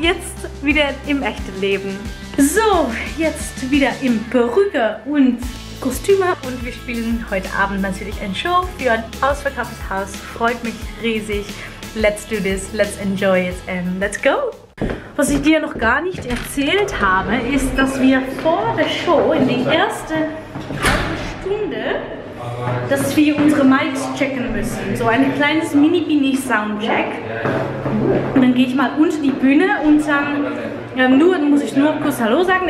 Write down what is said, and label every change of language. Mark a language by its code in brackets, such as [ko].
[de] Jetzt wieder im echten Leben. So, jetzt wieder im Perücke und Kostüme. Und wir spielen heute Abend natürlich ein Show für ein ausverkauftes Haus. Freut mich riesig. [en] Let's do this, let's enjoy it and let's go. [de] Was ich dir noch gar nicht erzählt habe, ist, dass wir vor der Show in die erste halbe Stunde, dass wir unsere Mics checken müssen. So ein kleines Mini-Bini-Soundcheck. Und dann gehe ich mal unter die Bühne und dann muss ich nur kurz Hallo sagen.